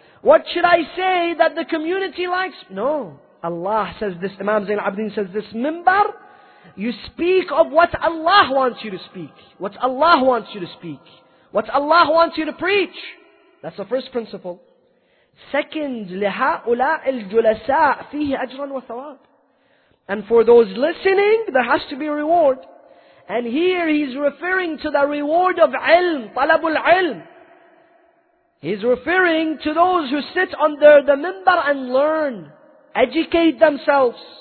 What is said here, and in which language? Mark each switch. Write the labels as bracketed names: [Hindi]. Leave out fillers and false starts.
[English] What should I say that the community likes? No. Allah says this, Imam Zain al-Abideen says this, minbar. You speak of what Allah wants you to speak. What Allah wants you to speak. What Allah wants you to preach. That's the first principle. Second, [Arabic] لهؤلاء الجلساء فيه أجرا وثواب. [English] And for those listening, there has to be reward. And here he's referring to the reward of علم, [Arabic] طلب العلم. [English] He's referring to those who sit under the minbar and learn, educate themselves.